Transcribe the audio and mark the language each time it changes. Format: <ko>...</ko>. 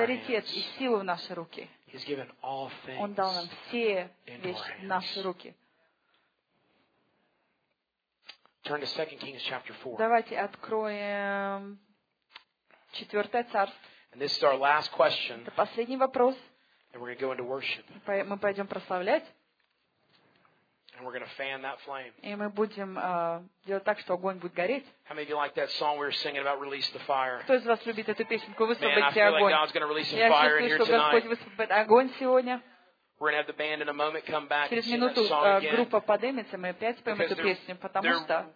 <ru>Авторитет и силу в наши руки.</ru> <en>He's given all things.</en> <ru>Он дал нам все вещи в наши руки.</ru> <en>Turn to 2 Kings chapter 4.</en> <ru>Давайте откроем 4 Царство.</ru> <en>And this is our last question.</en> <ru>Это последний вопрос.</ru> <en>And we're going to go into worship.</en> <ru>Мы пойдем прославлять.</ru> <en>And we're going to fan that flame.</en> <ru>И мы будем делать так, что огонь будет гореть.</ru> <en>How many of you like that song we were singing about release the fire?</en> <ru>Кто из вас любит эту песенку?</ru> <en>Man, I feel like God's going to release some fire in here tonight.</en> <ru>Я чувствую, что Господь высвободит огонь сегодня.</ru> <en>We're going to have the band in a moment come back</en> <ru>через</ru> <en>and sing that song again.</en> <ru>Мы опять поем эту песню, потому что</ru>